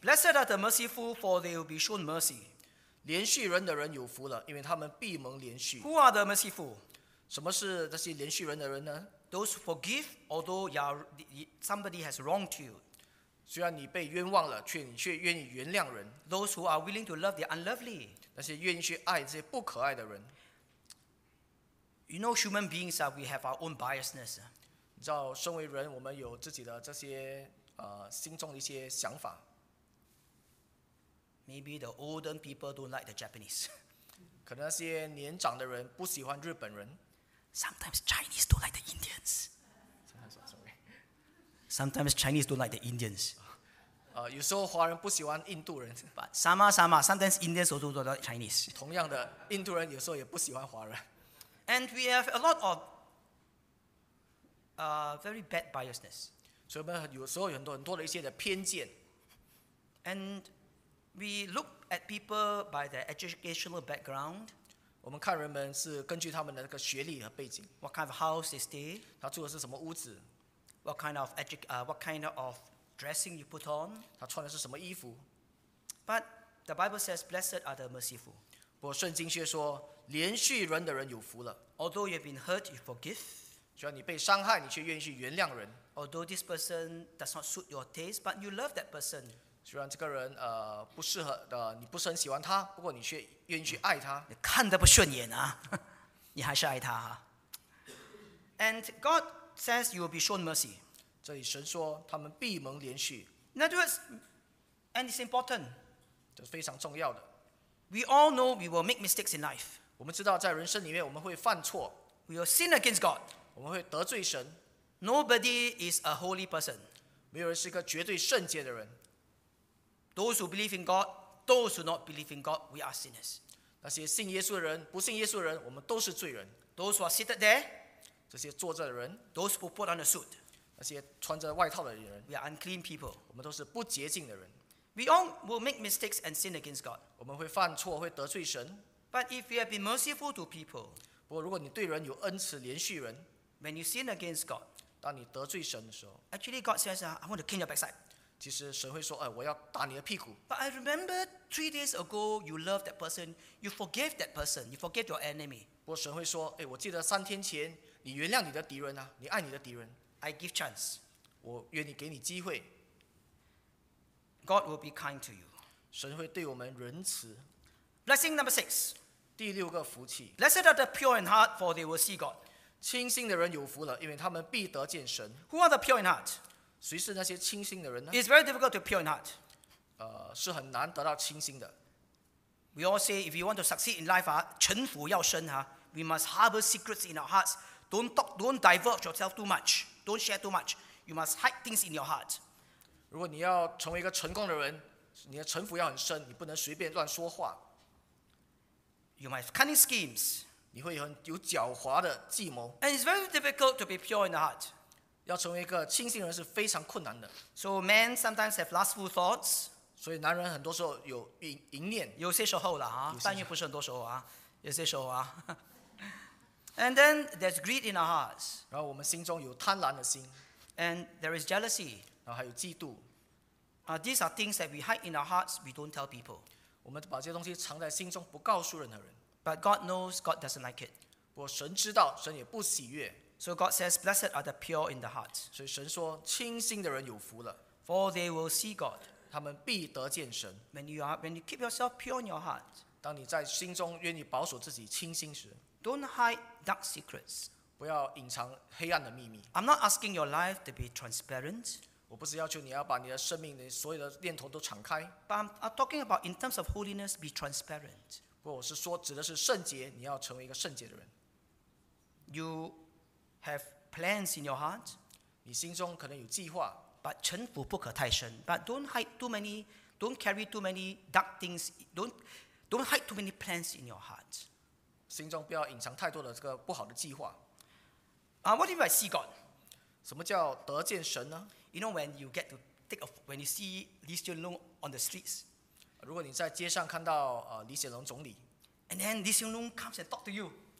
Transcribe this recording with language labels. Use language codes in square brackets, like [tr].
[en] Blessed are the merciful, for they will be shown mercy. [zh] 连续人的人有福了, 因为他们必蒙连续。 [en] Who are the merciful? [zh] 什么是这些连续人的人呢? [en] Those forgive, although somebody has wronged you. [zh] 虽然你被冤枉了, 却愿意原谅人。 [en] Those who are willing to love the unlovely. [zh] 那些愿意去爱这些不可爱的人。 [en] You know, human beings, we have our own biasness. [zh] 你知道,身为人, 我们有自己的这些, 心中的一些想法。 [en] Maybe the olden people don't like the Japanese. [zh] 可能那些年长的人不喜欢日本人。 [en] Sometimes Chinese don't like the Indians. Sometimes Chinese don't like the Indians. [zh] 有时候华人不喜欢印度人。 [en] But sama-sama, sometimes Indians also don't like Chinese. [zh] 同样的, 印度人有时候也不喜欢华人。 [en] And we have a lot of very bad biasness. [zh] 所以我们有时候有很多的一些的偏见。 [en] And we look at people by their educational background. [zh] 我们看人们是根据他们的那个学历和背景。 [en] What kind of house is they? [zh] 他住的是什么屋子。 [en] What kind of dressing you put on? [zh] 他穿的是什么衣服。 [en] But the Bible says, blessed are the merciful. [zh] 不过圣经却说, 连续人的人有福了。 [en] Although you've been hurt, you forgive. [zh] 虽然你被伤害, 你却愿意去原谅人。 [en] Although this person does not suit your taste, but you love that person. [zh] 虽然这个人, 不适合, 你不是很喜欢他, 不过你却愿意去爱他。你看得不顺眼啊, 你还是爱他。 [en] And God says you will be shown mercy. [zh] 这里神说, 他们必蒙连续。 [en] In other words, and it's important. [zh] 这是非常重要的。 [en] We all know we will make mistakes in life. [zh] 我们知道在人生里面, 我们会犯错。 [en] We will sin against God. [zh] 我们会得罪神。 [en] Nobody is a holy person. [zh] 没有人是一个绝对圣洁的人。 [en] Those who believe in God, those who not believe in God, we are sinners. [zh] 那些信耶稣的人, 不信耶稣的人, 我们都是罪人。 [en] Those who are seated there, [zh] 这些坐着的人, [en] those who put on the suit, [zh] 那些穿着外套的人, [en] we are unclean people. [zh] 我们都是不洁净的人。 [en] We all will make mistakes and sin against God. [zh] 我们会犯错, 会得罪神。 [en] But if you have been merciful to people, [zh] 不过如果你对人有恩慈连续人, [en] when you sin against God, [zh] 当你得罪神的时候, [en] actually God says, I want to kick your backside. [zh] 其实神会说, 哎, 我要打你的屁股。 [en] But I remember 3 days ago, you loved that person, you forgave that person, you forgave your enemy. [zh] 不过神会说, 哎, 我记得3天前, 你原谅你的敌人啊, 你爱你的敌人。 [en] I give chance. [zh] 我愿意给你机会。 [en] God will be kind to you. [zh] 神会对我们仁慈。 [en] Blessing number six. [zh] 第六个福气。 [en] Blessed are the pure in heart, for they will see God. [zh] 清心的人有福了，因为他们必得见神。 [en] Who are the pure in heart? [zh] 谁是那些清心的人呢？ [en] It's very difficult to be pure in heart. [zh] 是很难得到清心的。 [en] We all say if you want to succeed in life, [zh] 城府要深啊。 [en] We must harbor secrets in our hearts. Don't talk, don't divulge yourself too much. Don't share too much. You must hide things in your heart. [zh] 如果你要成为一个成功的人，你的城府要很深，你不能随便乱说话。 [en] You must have cunning schemes. [zh] 你会很有狡猾的计谋。 [en] And it's very difficult to be pure in the heart. [zh] 要成为一个清心人是非常困难的。 [en] So men sometimes have lustful thoughts. [zh] 所以男人很多时候有淫念。有些时候了啊，但也不是很多时候啊，有些时候啊。 [en] And then there's greed in our hearts. [zh] 然后我们心中有贪婪的心。 [en] And there is jealousy. [zh] 然后还有嫉妒。 [en] These are things that we hide in our hearts. We don't tell people. [zh] 我们把这些东西藏在心中，不告诉任何人。 [en] But God knows. God doesn't like it. [zh] 不过神知道，神也不喜悦。 [en] So God says, "Blessed are the pure in the heart." [zh] 所以神说，清心的人有福了。 [en] For they will see God. [zh] 他们必得见神。 [en] When you keep yourself pure in your heart. [zh] 当你在心中愿意保守自己清心时。 [en] Don't hide dark secrets. [zh] 不要隐藏黑暗的秘密。 [en] I'm not asking your life to be transparent. [zh] 我不是要求你要把你的生命的所有的念头都敞开。 [en] But I'm talking about in terms of holiness, be transparent. [zh] 不过我是说指的是圣洁，你要成为一个圣洁的人。 [en] You have plans in your heart. [zh] 你心中可能有计划。 [en] But [zh] 城府不可太深。 [en] But don't hide too many, don't carry too many dark things. Don't hide too many plans in your heart. [zh] 心中不要隐藏太多的这个不好的计划。 [en] What if I see God? [zh] 什么叫得见神呢？ [en] You know when you get to take a when you see Lee Hsien Loong on the streets. [zh] 如果你在街上看到李显龙总理。 [en] And then Lee Hsien Loong comes and talk to you.